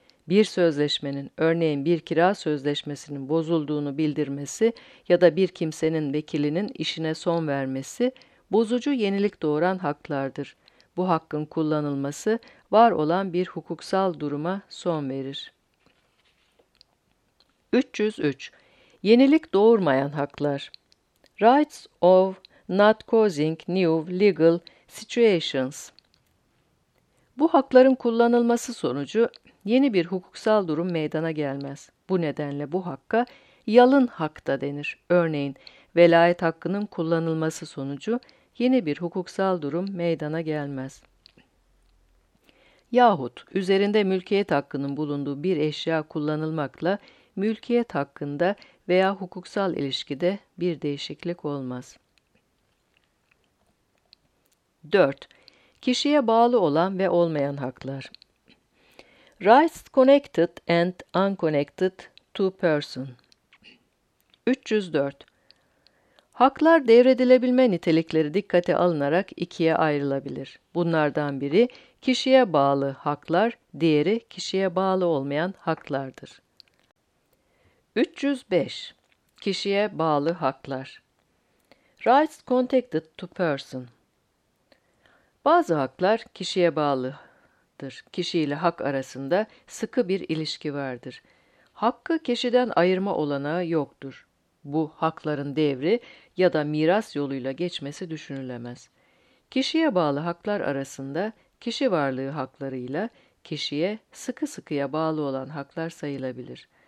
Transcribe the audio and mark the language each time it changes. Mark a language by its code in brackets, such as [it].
[tr] Bir sözleşmenin, örneğin bir kira sözleşmesinin bozulduğunu bildirmesi ya da bir kimsenin vekilinin işine son vermesi bozucu, yenilik doğuran haklardır. Bu hakkın kullanılması var olan bir hukuksal duruma son verir. 303. Yenilik doğurmayan haklar. [en] Rights of not causing new legal situations. [tr] Bu hakların kullanılması sonucu yeni bir hukuksal durum meydana gelmez. Bu nedenle bu hakka yalın hak da denir. Örneğin, velayet hakkının kullanılması sonucu yeni bir hukuksal durum meydana gelmez. Yahut üzerinde mülkiyet hakkının bulunduğu bir eşya kullanılmakla mülkiyet hakkında veya hukuksal ilişkide bir değişiklik olmaz. 4. Kişiye bağlı olan ve olmayan haklar. [en] Rights connected and unconnected to person. [tr] 304. Haklar devredilebilme nitelikleri dikkate alınarak ikiye ayrılabilir. Bunlardan biri kişiye bağlı haklar, diğeri kişiye bağlı olmayan haklardır. 305. Kişiye bağlı haklar. [en] Rights connected to person. [tr] Bazı haklar kişiye bağlıdır. Kişi ile hak arasında sıkı bir ilişki vardır. Hakkı kişiden ayırma olanağı yoktur. Bu hakların devri ya da miras yoluyla geçmesi düşünülemez. Kişiye bağlı haklar arasında kişi varlığı haklarıyla kişiye sıkı sıkıya bağlı olan haklar sayılabilir.